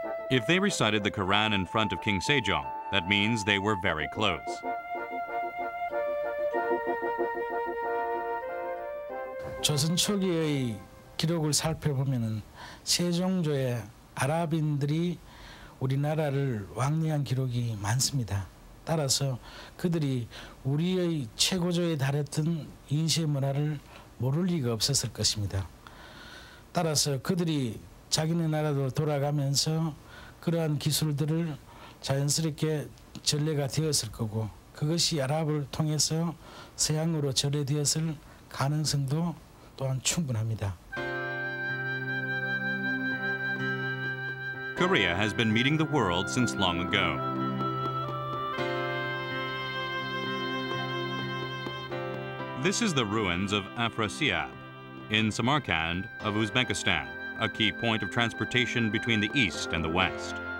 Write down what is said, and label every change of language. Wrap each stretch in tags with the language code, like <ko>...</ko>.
<en>If they recited the Quran in front of King Sejong, that means they were very close.</en> <ko>Joseon 초기의 기록을 살펴보면은 세종조의 아랍인들이 우리나라를 왕래한 기록이 많습니다. 따라서 그들이 우리의 최고조에 달했던 인쇄 문화를 모를 리가 없었을 것입니다. 따라서 그들이 자기네 나라로 돌아가면서 그러한 기술들을 자연스럽게 전례가 되었을 거고 그것이 아랍을 통해서 서양으로 전해되었을 가능성도 또한 충분합니다.</ko> <en>Korea has been meeting the world since long ago. This is the ruins of Afrasiab in Samarkand of Uzbekistan, a key point of transportation between the East and the West.</en>